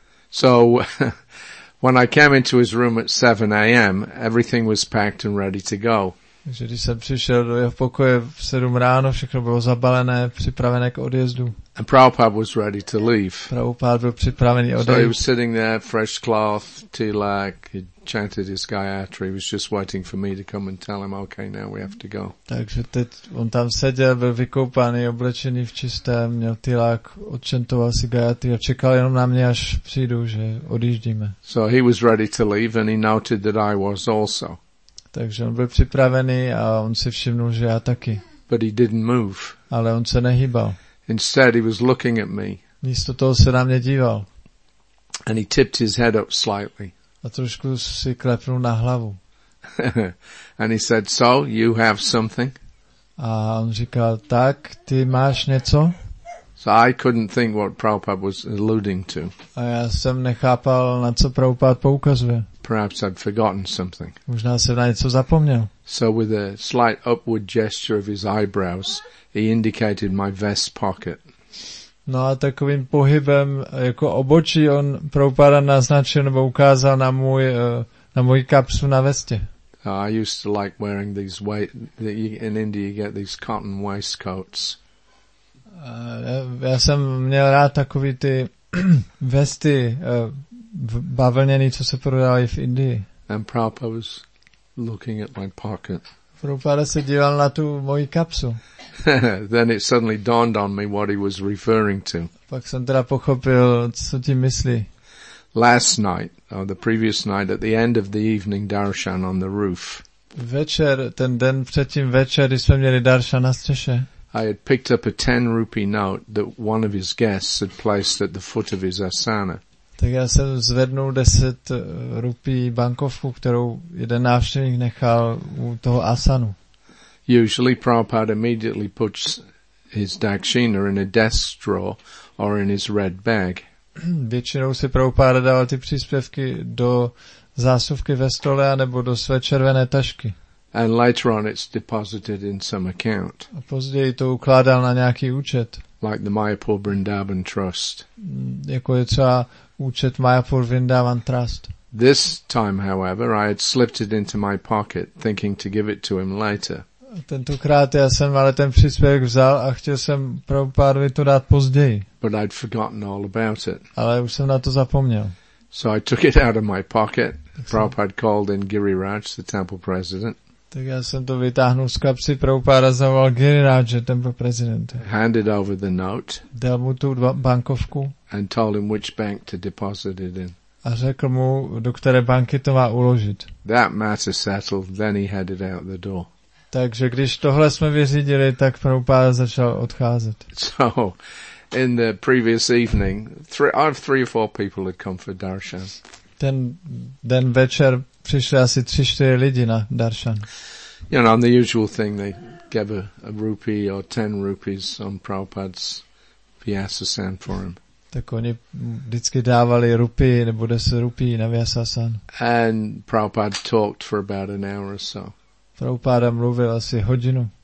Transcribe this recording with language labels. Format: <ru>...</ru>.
<en>So, when I came into his room at 7 a.m, everything was packed and ready to go.</en> <cs>Takže když jsem přišel do jeho pokoje v 7 ráno, všechno bylo zabalené, připravené k odjezdu.</cs> <en>And Prabhupada was ready to leave.</en> <cs>Prabhupada byl připravený odejít.</cs> <en>So he was sitting there, fresh cloth, tilak, he chanted his Gayatri, he was just waiting for me to come and tell him, okay, now we have to go.</en> <cs>Takže teď on tam seděl, byl vykoupaný, oblečený v čistém, měl tilak, odčentoval si Gayatri a čekal jenom na mě, až přijdu, že odjíždíme.</cs> <en>So he was ready to leave and he noted that I was also.</en> <cs>Takže on byl připravený a on si všimnul, že já taky.</cs> <en>But he didn't move.</en> <cs>Ale on se nehýbal.</cs> <en>Instead, he was looking at me.</en> <cs>Místo toho se na mě díval.</cs> <en>And he tipped his head up slightly.</en> <cs>A trošku si klepnul na hlavu.</cs> <en>And he said, "So, you have something?"</en> <cs>A on říkal, tak, ty máš něco?</cs> <en>So I couldn't think what Prabhupada was alluding to.</en> <cs>A já jsem nechápal, na co Prabhupada poukazuje.</cs> <en>Perhaps I'd forgotten something.</en> <cs>Možná jsem na něco zapomněl.</cs> <en>So with a slight upward gesture of his eyebrows, he indicated my vest pocket.</en> <cs>No a takovým pohybem jako obočí on Prabhupada naznačil nebo ukázal na moji kapsu na vestě.</cs> <en>I used to like wearing these in India you get these cotton waistcoats.</en> <cs>Já jsem měl rád takový ty vesty bavlněný, co se prodávají v Indii.</cs> <en>And Prabhupada was looking at my pocket.</en> <cs>Prabhupada se díval na tu moji kapsu.</cs> <en>Then it suddenly dawned on me what he was referring to.</en> <cs>Pak jsem teda pochopil, co tím myslí.</cs> <en>Last night, or the previous night, at the end of the evening darshan on the roof.</en> <cs>Večer, ten den předtím večer, když jsme měli darshan na střeše.</cs> <en>I had picked up a 10-rupee note that one of his guests had placed at the foot of his asana.</en> <cs>Tak já jsem zvednul 10 rupí bankovku, kterou jeden návštěvník nechal u toho asanu.</cs> <en>Usually Prabhupada immediately puts his dakshina in a desk drawer or in his red bag.</en> <cs>Většinou si Prabhupada dával ty příspěvky do zásuvky ve stole nebo do své červené tašky.</cs> <en>And later on it's deposited in some account.</en> <cs>A později to ukládal na nějaký účet.</cs> <en>Like the Mayapur Vrindavan Trust.</en> <cs>Jako je třeba účet Mayapur Vrindavan Trust.</cs> <en>This time, however, I had slipped it into my pocket, thinking to give it to him later.</en> <cs>Tentokrát já jsem ale ten příspěvek vzal a chtěl jsem Prabhupádovi to dát později.</cs> <en>But I'd forgotten all about it.</en> <cs>Ale už jsem na to zapomněl.</cs> <en>So I took it out of my pocket. Prabhupada called in Giriraj, the temple president.</en> <cs>Tak já jsem to vytáhnul z kapsy Prabhupada, zavolal Giriráže, ten byl prezident.</cs> <en>Handed over the note.</en> <cs>Dal mu tu bankovku.</cs> <en>And told him which bank to deposit it in.</en> <cs>A řekl mu, do které banky to má uložit.</cs> <en>That matter settled, then he headed out the door.</en> <cs>Takže když tohle jsme vyřídili, tak Prabhupada začal odcházet.</cs> <en>So, in the previous evening, three or four people had come for darshan.</en> <cs>Ten den večer přišli asi 3-4 lidi na darshan.</cs> <en>You know, and the usual thing, they gave a rupee or 10 rupees on Prabhupada's Vyasasan for him.</en> <cs>Tak oni vždycky dávali rupii nebo 10 rupií na Vyasasan.</cs> <en>And Prabhupada talked for about an hour or so.</en> <cs>Prabhupada mluvil asi hodinu.</cs>